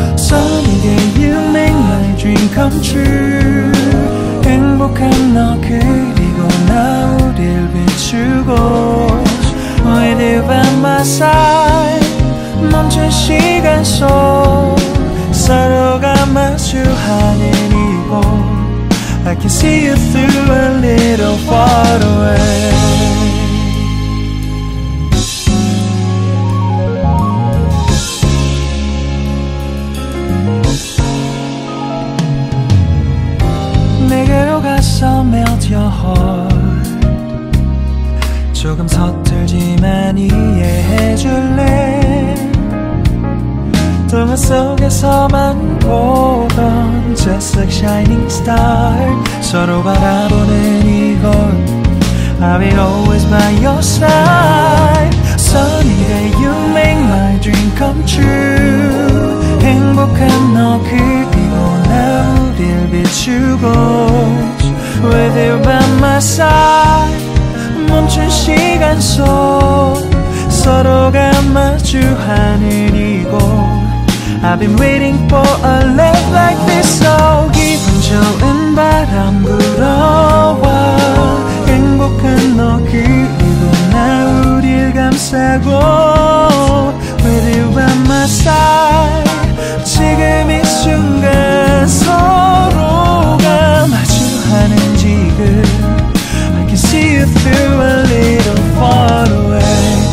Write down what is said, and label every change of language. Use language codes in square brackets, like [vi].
[en] Sunny day you make my dream come true. [ko] 행복한 너 그리고 나 우릴 비추고. [en] With you by my side. [ko] 멈춘 시간 속 서로가 마주하는 이곳. [en] I can see you through a little far away. [ko] 내게로 가서 [en] melt your heart. [ko] 조금 서툴지만 이해해줄래. 동화 속에서만 보던 [en] just like shining star. [ko] 서로 바라보는 이곳. [en] I'll be always by your side. Sunny day you make my dream come true. [ko] 행복한 너 그리고 나 우릴 비추고. [en] With you by my side. [ko] 멈춘 시간 속 서로가 마주하는 이곳. [en] I've been waiting for a love like this. So [ko] 기분 좋은 바람 불어와. 행복한 너 그리고 나 우릴 감싸고. [en] With you by my side. [ko] 지금 이 순간 서로가 마주하는 지금. [en] I can see you through a little far away.